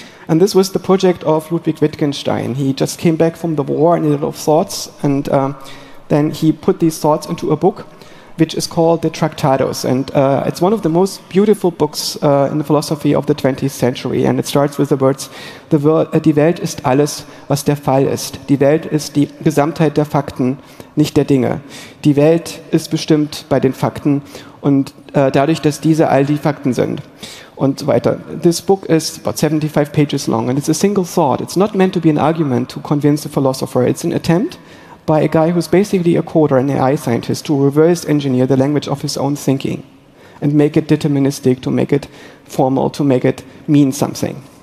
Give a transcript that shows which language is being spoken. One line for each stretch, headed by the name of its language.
English: And this was the project of Ludwig Wittgenstein. He just came back from the war and he had a lot of thoughts. And then he put these thoughts into a book, which is called The Tractatus. And it's one of the most beautiful books in the philosophy of the 20th century. And it starts with the words, the world,
German: die Welt ist alles, was der Fall ist. Die Welt ist die Gesamtheit der Fakten, nicht der Dinge. Die Welt ist bestimmt bei den Fakten und dadurch, dass diese all die Fakten sind. Und so weiter.
English: This book is about 75 pages long, and it's a single thought. It's not meant to be an argument to convince a philosopher. It's an attempt by a guy who's basically a coder, an AI scientist, to reverse engineer the language of his own thinking and make it deterministic, to make it formal, to make it mean something.